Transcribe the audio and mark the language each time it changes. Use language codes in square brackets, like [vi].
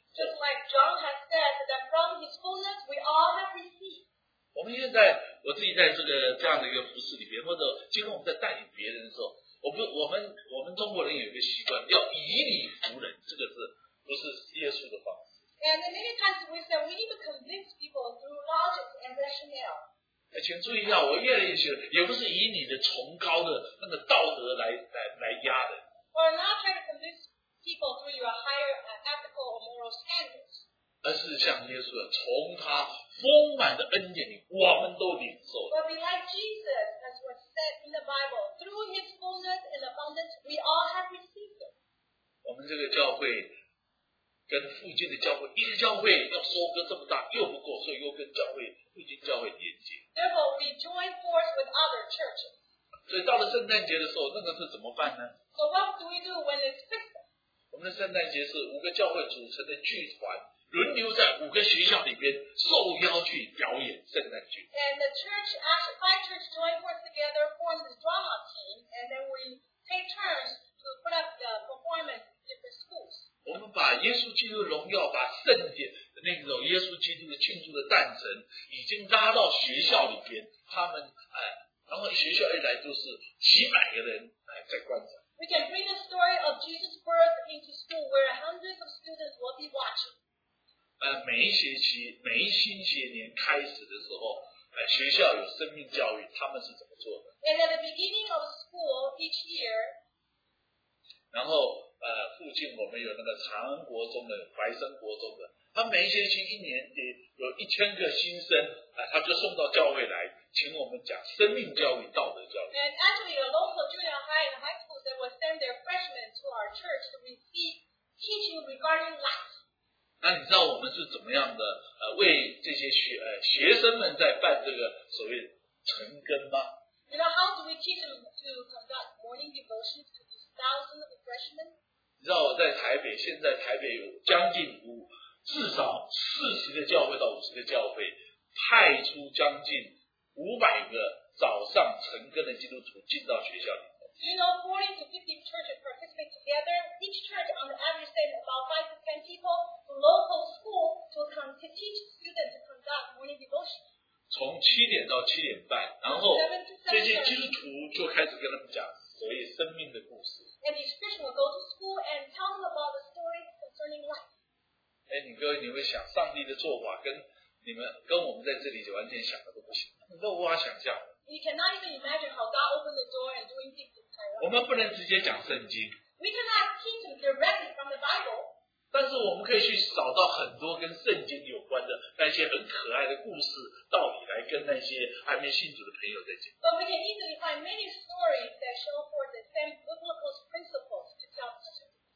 [en] Just like John has said that from his fullness we all have received. [zh] 我们现在我自己在这样的一个服事里边，或者今后我们在带领别人的时候，我们中国人有一个习惯，要以理服人，这个是不是耶稣的方法？ [en] And many times we say we need to convince people through logic and rationale. [zh] 请注意一下，我越来越觉得，也不是以你的崇高的那个道德来压的。 [en] Or not trying to convince people through your higher ethical or moral standards. [zh] 而是像耶稣，从他丰满的恩典里，我们都领受。 [en] But be like Jesus, as was said in the Bible, through His fullness and abundance, we all have received it. [zh] 我们这个教会。跟附近的教会，一个教会要收割这么大又不够，所以又跟教会附近教会连接。 [en] Therefore, we join force with other churches. [zh] 所以到了圣诞节的时候，那个是怎么办呢 [en] ？So what do we do when it's Christmas? [zh] 我们的圣诞节是五个教会组成的剧团，轮流在五个学校里边受邀去表演圣诞剧。 [en] And the church, actually, five churches join force together, form the drama team, and then we take turns to put up the performance in different schools. [zh] 我们把耶稣基督的荣耀，把圣殿的那种耶稣基督的庆祝的诞辰，已经拉到学校里边，他们然后学校一来就是几百个人在观赏。 [en] We can bring the story of Jesus' birth into school where hundreds of students will be watching. [zh] 每一学期每一新学年开始的时候，学校有生命教育，他们是怎么做的 [en] ？And at the beginning of school each year. [zh] 然后。附近我们有那个长安国中的、白山国中的，他每一学期一年得有1000个新生，他就送到教会来，请我们讲生命教育、道德教育。 [en] And actually, a local junior high and high school that will send their freshmen to our church to receive teaching regarding life. [zh] 那你知道我们是怎么样的为这些学生们在办这个所谓晨更吗 [en] ？You know how do we teach them to conduct morning devotions to these thousands of freshmen? [zh] 你知道我在台北，现在台北有将近至少40到50个教会，派出将近500个早上晨更的基督徒进到学校里面。 [en] Do you know 40 to 50 churches participate together? Each church on the average sends about 5 to 10 people to local school to come to teach students to conduct morning devotion. [zh] 从7点到7点半，然后这些基督徒就开始跟他们讲所谓生命的故事。 [en] And these Christians will go to school and tell them about the story concerning life. [zh] 你各位，你会想上帝的做法跟你们跟我们在这里就完全想的都不行，你都无法想象。 [en] You cannot even imagine how God opened the door and doing things in Taiwan. [zh] 我们不能直接讲圣经。 [en] We cannot teach them directly from the Bible. [zh] 但是我们可以去找到很多跟圣经有关的那些很可爱的故事道理来跟那些还没信主的朋友在讲。 [en] But we can easily find many stories that show forth the same biblical principles to tell us to.